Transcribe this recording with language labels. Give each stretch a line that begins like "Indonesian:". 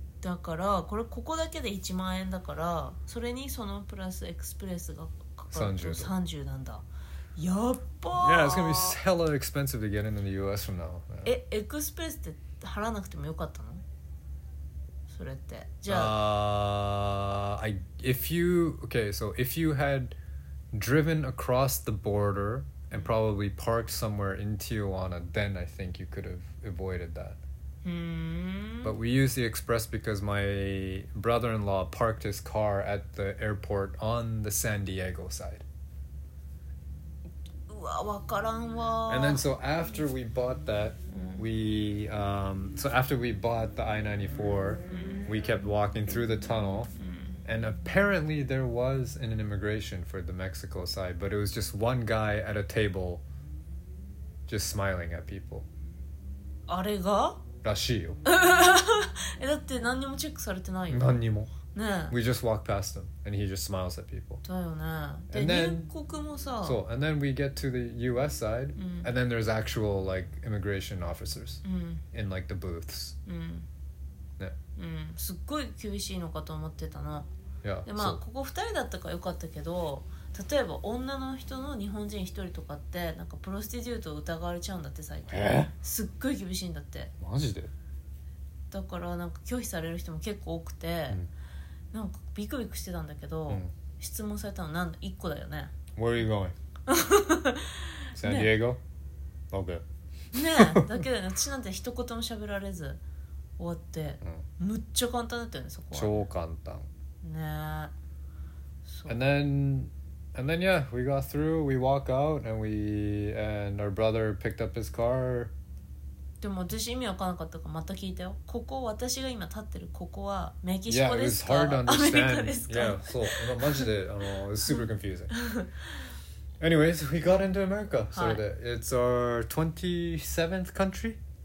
Japanese: だから、これここだけで1万円だから、それにそのプラスエクスプレスがかかると30なんだ。やっぱー、
English: Yeah, it's gonna be hella expensive to get into the US from now.
Japanese: え、エクスプレスって払わなくてもよかったの？それってじゃあ、
English: okay, so if you had driven across the border and probably parked somewhere in Tijuana, then I think you could have avoided that. But we use the express because my brother-in-law parked his car at the airport on the San Diego side. And then so after we bought that, we bought the I-94, we kept walking through the tunnel. And apparently there was an immigration for the Mexico side, but it was just one guy at a table just smiling at people.
Japanese: あれが？らしいよ。え、だって何にもチェックされてないよ。何にも。ね。
English: We just walk past him and he just smiles at people.
Japanese: だよね。で、
English: and then,
Japanese: 入国もさ。
English: So, and then we get to the US side, and then there's actual like immigration officers in like the booths.
Japanese: うん、すっごい厳しいのかと思ってたな。
English: Yeah,
Japanese: でまあ、ここ2人だったからよかったけど、例えば女の人の日本人1人とかってなんかプロスティデュートを疑われちゃうんだって最近。すっごい厳しいんだって。マジで？だからなんか拒否される人も結構多くて、なんかビクビクしてたんだけど、質問されたの何だ1個だよね。
English: Where are you going? San Diego? Okay.
Japanese: ねえ、だけどね、私なんて一言も喋られず終わって、むっちゃ簡単だったよね、そこは。超簡単。ねえ。そう。
English: And then, yeah, we got through, we walk out, and our brother picked up his car.
Japanese: でも私意味わかんなかったから、また聞いたよ。ここ、私が今立ってるここはメキシコですか？
English: Yeah, it was hard to understand. Yeah,
Japanese: そう。まあ、マジで、
English: it was super confusing. Anyways, we got into America. So that、
Japanese: はい、
English: it's our 27th country?